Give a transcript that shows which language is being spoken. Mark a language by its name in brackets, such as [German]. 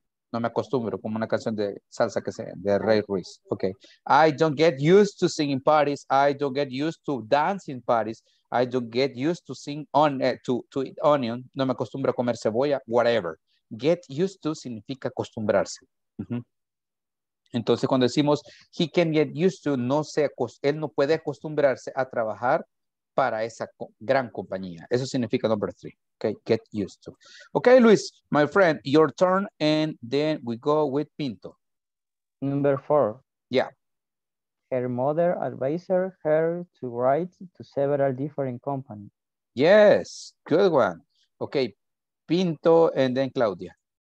[Spanish] No me acostumbro, como una canción de salsa que sea, de Ray Ruiz. [English] Okay. I don't get used to singing parties. I don't get used to dancing parties. I don't get used to sing on to eat onion. [Spanish] No me acostumbro a comer cebolla, whatever. [English] Get used to [Spanish] significa acostumbrarse. Entonces, cuando decimos [English] he can get used to, [Spanish] no se él no puede acostumbrarse a trabajar para esa gran compañía. Eso significa [English] number three. Okay, get used to. Okay, Luis, my friend, your turn, and then we go with Pinto. Number four. Yeah. Her mother advised her to write to several different companies. Yes, good one. Okay, Pinto, and then Claudia.